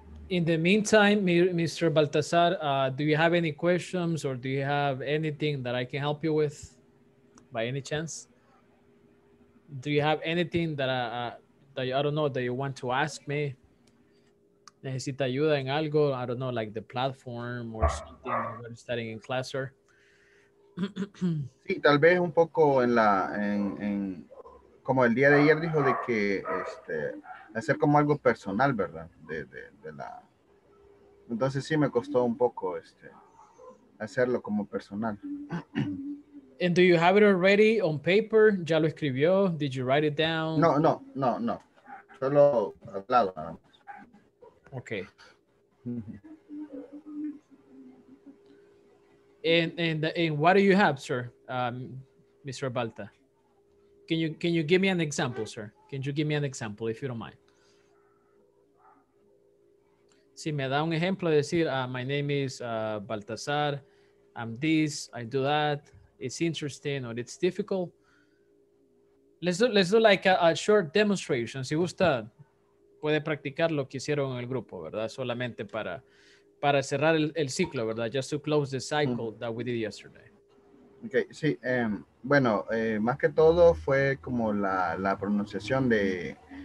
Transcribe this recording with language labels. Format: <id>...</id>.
<en>In the meantime, Mr. Baltazar, do you have any questions or do you have anything that I can help you with by any chance? Do you have anything that I don't know that you want to ask me?</en> <es>Necesita ayuda en algo?</es> <en>I don't know, like the platform or something when you're studying in class, sir.</en> <es>Sí, tal vez un poco en la, en como el día de ayer dijo de que este, hacer como algo personal, ¿verdad? De la... Entonces sí me costó un poco este hacerlo como personal.</es> <en>And do you have it already on paper?</en> <es>¿Ya lo escribió?</es> <en>Did you write it down?</en> <es>No. Solo hablado.</es> <en>Okay. And what do you have, sir? Mr. Balta. Can you give me an example, sir? Can you give me an example if you don't mind?</en> <es>Si me da un ejemplo, decir,</es> <en>my name is Baltazar, I'm this, I do that, it's interesting or it's difficult. Let's do like a short demonstration.</en> <es>Si gusta, puede practicar lo que hicieron en el grupo, ¿verdad? Solamente para cerrar el ciclo, ¿verdad?</es> <en>Just to close the cycle that we did yesterday.</en> <es>Okay, sí. Bueno, más que todo fue como la pronunciación de...</es>